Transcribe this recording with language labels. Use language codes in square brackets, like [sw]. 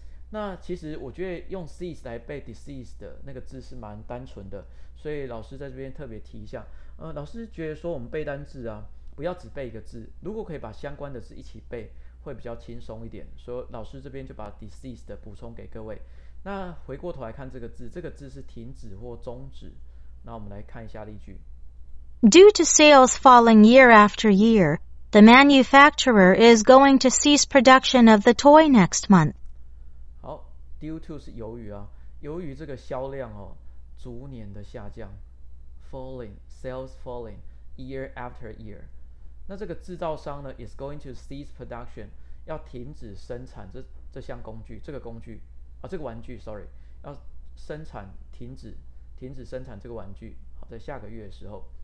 [zh] 那其实我觉得用 cease 来背 deceased 那个字是蛮单纯的，所以老师在这边特别提一下。老师觉得说我们背单字啊。不要只背一个字，如果可以把相关的字一起背会比较轻松一点，所以老师这边就把 deceased 补充给各位。那回过头来看这个字，这个字是停止或终止。那我们来看一下例句。 [en] Due to sales falling year after year, the manufacturer is going to cease production of the toy next month. [zh] 好， due to 是由于啊，由于这个销量哦逐年的下降， falling sales falling year after year，那这个制造商呢 is going to cease production，要停止生产 这项工具，这个工具啊，这个玩具 sorry， 要生产停止生产这个玩具，好，在下个月的时候。